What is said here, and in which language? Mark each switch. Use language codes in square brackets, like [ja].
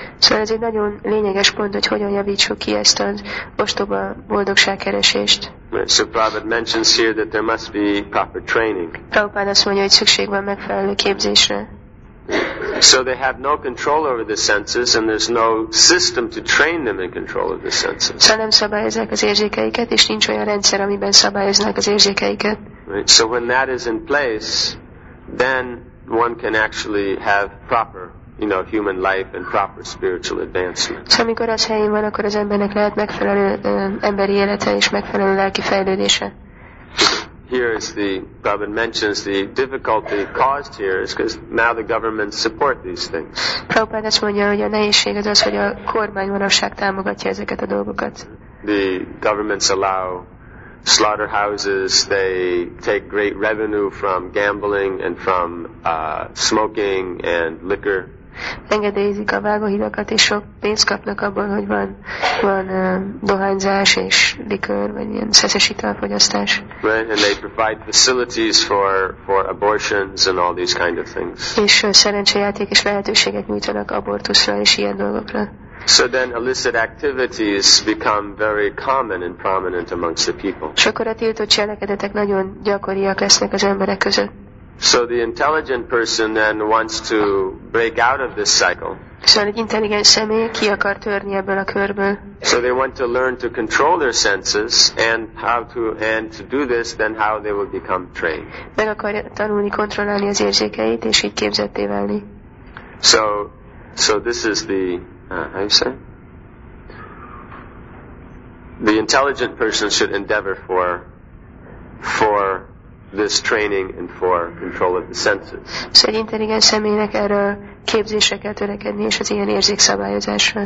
[hu] Szóval ez egy nagyon lényeges pont, hogy hogyan javítsuk ki ezt az ostoba boldogságkeresést. [en] So Prabhupada mentions here that there must be proper training. [hu] Prabhupada azt mondja, hogy szükség van megfelelő képzésre. [en] So they have no control over the senses, and there's no system to train them in control of the senses. [hu] Szóval nem szabályozzák az érzékeiket, és nincs olyan rendszer, amiben szabályoznak az érzékeiket. [en] So when that is in place, then one can actually have proper, you know, human life and proper spiritual advancement. [hu] So, amikor az helyén van, akkor az embernek lehet megfelelő emberi élete és megfelelő lelki fejlődése. [en] Here is the Prabhupada mentions the difficulty caused here is because now the governments support these things. [hu] Prabhupada azt mondja, hogy a nehézség az, hogy a kormány manapság támogatja ezeket a dolgokat. [en] The governments allow slaughterhouses, they take great revenue from gambling and from smoking and liquor. [hu] Engedélyezik a vágóhidakat, és sok pénzt kapnak abban, hogy van dohányzás és likör, vagy ilyen szeszes italfogyasztás. [en] Right, and they provide facilities for abortions and all these kind of things. [hu] És szerencsejáték és lehetőséget nyújtanak abortuszra és ilyen dolgokra. [en] So then illicit activities become very common and prominent amongst the people. [hu] És akkor a tiltott cselekedetek nagyon gyakoriak lesznek az emberek között. [en] So the intelligent person then wants to break out of this cycle. [hu] Szóval egy intelligens személy ki akar törni ebből a körből. [en] So they want to learn to control their senses and how to do this, then how they will become trained. [hu] Meg akar tanulni kontrollálni az érzékeit, és így képzetté válni. [en] So this is the how you say? The intelligent person should endeavor for this training and for control of the senses. [hu] So egy intelligens személynek erre képzésre kell törekedni, és az ilyen érzékszabályozásra.